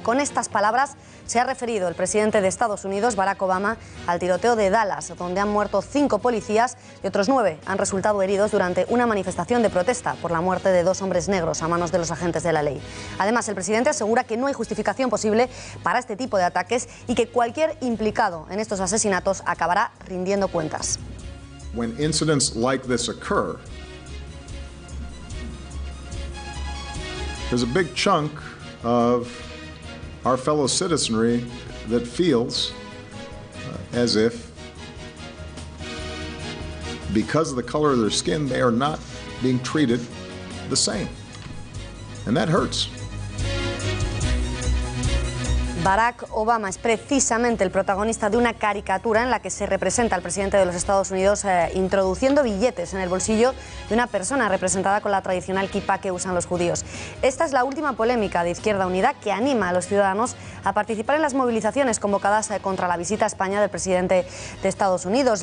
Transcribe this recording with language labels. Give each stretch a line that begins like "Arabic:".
Spanish: Con estas palabras se ha referido el presidente de Estados Unidos, Barack Obama, al tiroteo de Dallas, donde han muerto 5 policías y otros 9 han resultado heridos durante una manifestación de protesta por la muerte de 2 hombres negros a manos de los agentes de la ley. Además, el presidente asegura que no hay justificación posible para este tipo de ataques y que cualquier implicado en estos asesinatos acabará rindiendo cuentas.
English: When incidents like this occur, there's a big chunk of our fellow citizenry that feels as if, because of the color of their skin, they are not being treated the same. And that hurts.
Spanish: Barack Obama es precisamente el protagonista de una caricatura en la que se representa al presidente de los Estados Unidos introduciendo billetes en el bolsillo de una persona representada con la tradicional kipá que usan los judíos. Esta es la última polémica de Izquierda Unida que anima a los ciudadanos a participar en las movilizaciones convocadas contra la visita a España del presidente de Estados Unidos.